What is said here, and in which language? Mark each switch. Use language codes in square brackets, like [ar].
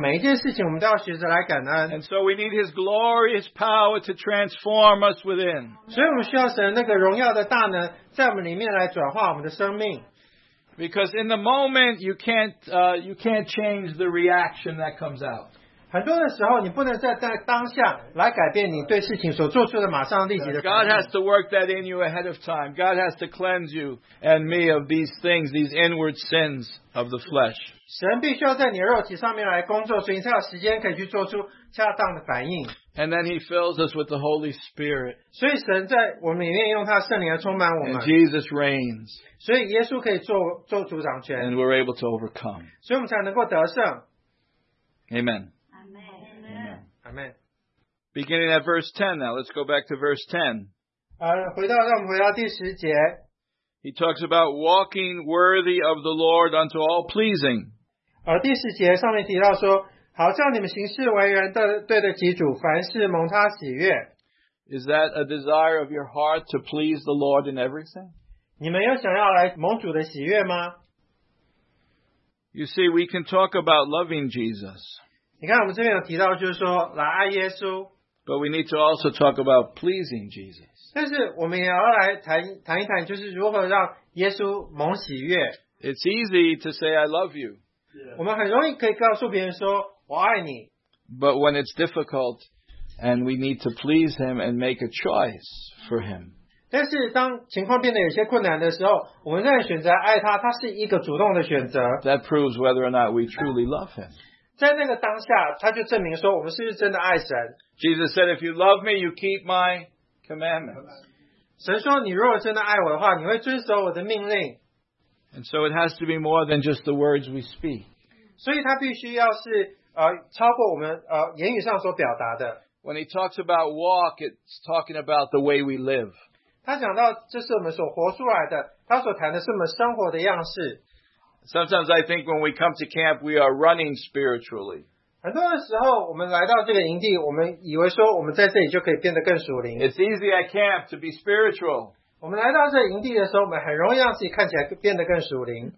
[zh] 在神所为我们预定的事情上，每一件事情我们都要学着来感恩。 [en] And so we need His glorious power to transform us within. [zh] 所以我们需要神那个荣耀的大能，在我们里面来转化我们的生命。 [en] Because in the moment you can't change the reaction that comes out. [zh] 很多的时候，你不能在当下来改变你对事情所做出的马上立即的反应。 [en] God has to work that in you ahead of time. God has to cleanse you and me of these things, these inward sins of the flesh. [zh] 神必须要在你的肉体上面来工作，所以你才有时间可以去做出恰当的反应。 [en] And then He fills us with the Holy Spirit. [zh] 所以神在我们里面用他圣灵来充满我们。 [en] And Jesus reigns. [zh] 所以耶稣可以做主掌权。 [en] And we're able to overcome. [zh] 所以我们才能够得胜。 [en] Amen. Amen. Amen. Beginning at verse 10 now, let's go back to verse 10. [zh] 让我们回到第十节。 [en] He talks about walking worthy of the Lord unto all pleasing. [zh] 第十节上面提到说, 好叫你们行事为人的对的基础，凡事蒙他喜悦。 [en] Is that a desire of your heart to please the Lord in everything? [zh] 你们有想要来蒙主的喜悦吗？ [en] You see, we can talk about loving Jesus. [zh] 你看我们这边有提到就是说来爱耶稣。 [en] But we need to also talk about pleasing Jesus. [zh] 但是我们也要来谈一谈就是如何让耶稣蒙喜悦。 [en] It's easy to say I love you. [zh] Yeah. 我们很容易可以告诉别人说我爱你。 [en] But when it's difficult and we need to please him and make a choice for him. [zh] 但是当情况变得有些困难的时候，我们仍然选择爱他，他是一个主动的选择。 [en] That proves whether or not we truly love him. [zh] 在那个当下，他就证明说我们是不是真的爱神。 [en] Jesus said, "If you love me, you keep my commandments." [zh] 神说，你如果真的爱我的话，你会遵守我的命令。 [en] And so it has to be more than just the words we speak. [zh] 所以他必须要是超过我们言语上所表达的。 [en] When he talks about walk, it's talking about the way we live. [zh] 他讲到这是我们所活出来的，他所谈的是我们生活的样式。 [en] Sometimes I think when we come to camp, we are running spiritually. [zh] 很多的时候，我们来到这个营地，我们以为说我们在这里就可以变得更属灵。 [en] It's easy at camp to be spiritual. [zh] 我们来到这个营地的时候，我们很容易让自己看起来变得更属灵。